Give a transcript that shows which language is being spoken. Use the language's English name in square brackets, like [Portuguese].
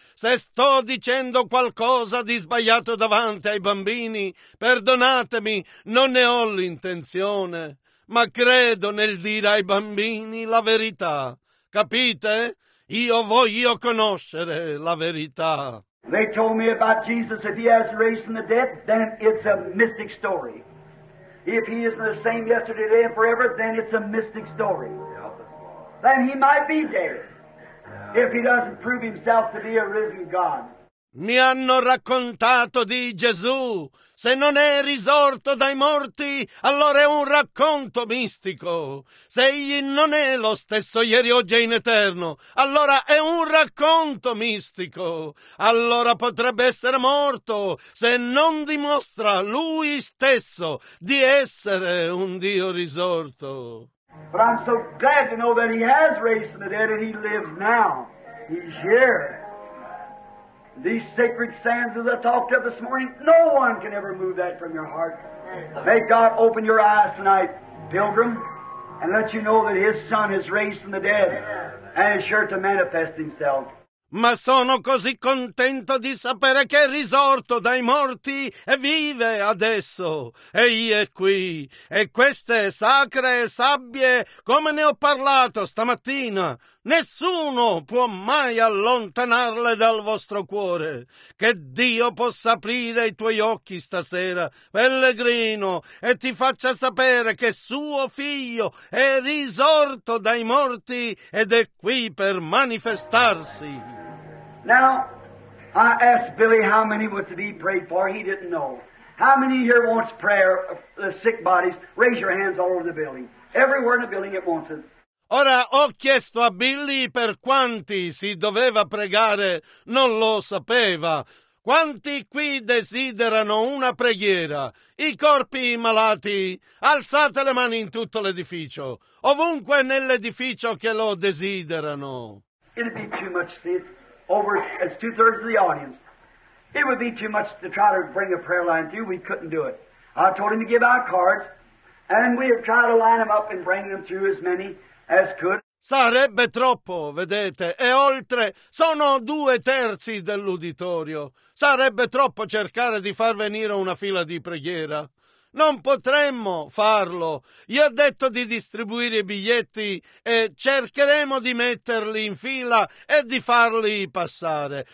[Italian] Se sto dicendo qualcosa di sbagliato davanti ai bambini, perdonatemi, non ne ho l'intenzione, ma credo nel dire ai bambini la verità. Capite? Io voglio conoscere la verità. [English] They told me about Jesus, if he has raised from the dead, then it's a mystic story. If he isn't the same yesterday, today, and forever, then it's a mystic story. Then he might be dead, if he doesn't prove himself to be a risen God. [Italian] Mi hanno raccontato di Gesù. Se non è risorto dai morti, allora è un racconto mistico. Se egli non è lo stesso ieri, oggi e in eterno, allora è un racconto mistico. Allora potrebbe essere morto se non dimostra lui stesso di essere un Dio risorto. [English] But I'm so glad to know that he has raised from the dead and he lives now. He's here. These sacred sands that I talked of this morning, no one can ever move that from your heart. May God open your eyes tonight, pilgrim, and let you know that his Son is raised from the dead and is sure to manifest himself. [Italian] Ma sono così contento di sapere che è risorto dai morti e vive adesso. Egli è qui. E queste sacre sabbie, come ne ho parlato stamattina, nessuno può mai allontanarle dal vostro cuore. Che Dio possa aprire i tuoi occhi stasera, pellegrino, e ti faccia sapere che suo figlio è risorto dai morti ed è qui per manifestarsi. [English] Now, I asked Billy how many was to be prayed for. He didn't know. How many here wants prayer of the sick bodies? Raise your hands all over the building. Everywhere in the building it wants it. [Italian] Ora ho chiesto a Billy per quanti si doveva pregare. Non lo sapeva. Quanti qui desiderano una preghiera? I corpi malati, alzate le mani in tutto l'edificio. Ovunque nell'edificio che lo desiderano. [English] It'd be too much sin. Over as 2/3 of the audience. It would be too much to try to bring a prayer line through. We couldn't do it. I told him to give out cards, and we have tried to line them up and bring them through as many as could. [Italian] Sarebbe troppo, vedete, e oltre sono 2/3 dell'uditorio. Sarebbe troppo cercare di far venire una fila di preghiera. non potremmo farlo. Gli ho detto di distribuire i biglietti e cercheremo di metterli in fila e di farli passare.